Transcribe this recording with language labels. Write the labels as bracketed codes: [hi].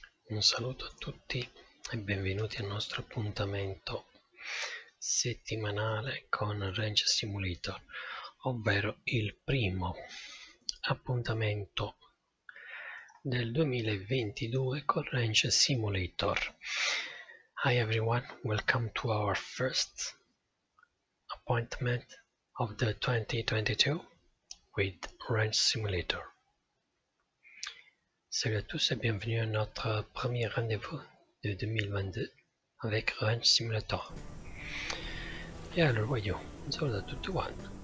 [it] Un saluto a tutti e benvenuti al nostro appuntamento settimanale con Range Simulator, ovvero il primo appuntamento del 2022 con Range Simulator. [en] Hi everyone, welcome to our first appointment of the 2022 with Range Simulator. [fr] Salut à tous et bienvenue à notre premier rendez-vous de 2022 avec Range Simulator. [it] E allora, voglio un saluto a tutti quanti.